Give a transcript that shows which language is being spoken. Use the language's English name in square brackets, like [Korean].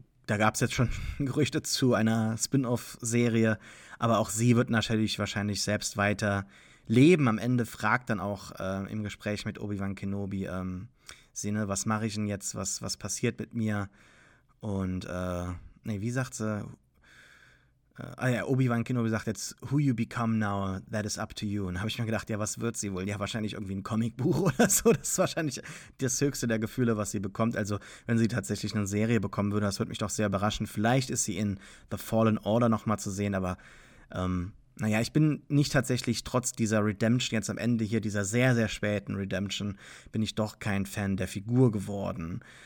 [German] Da gab es jetzt schon Gerüchte zu einer Spin-off-Serie, aber auch sie wird natürlich wahrscheinlich selbst weiter leben. Am Ende fragt dann auch im Gespräch mit Obi-Wan Kenobi, was mache ich denn jetzt, was passiert mit mir? Und wie sagt sie? Obi-Wan Kenobi sagt jetzt, [English] who you become now, that is up to you. [German] Und habe ich mir gedacht, ja, was wird sie wohl? Ja, wahrscheinlich irgendwie ein Comicbuch oder so. Das ist wahrscheinlich das höchste der Gefühle, was sie bekommt. Also, wenn sie tatsächlich eine Serie bekommen würde, das würde mich doch sehr überraschen. Vielleicht ist sie in The Fallen Order nochmal zu sehen. Aber, ich bin nicht tatsächlich trotz dieser Redemption jetzt am Ende hier, dieser sehr, sehr späten Redemption, bin ich doch kein Fan der Figur geworden.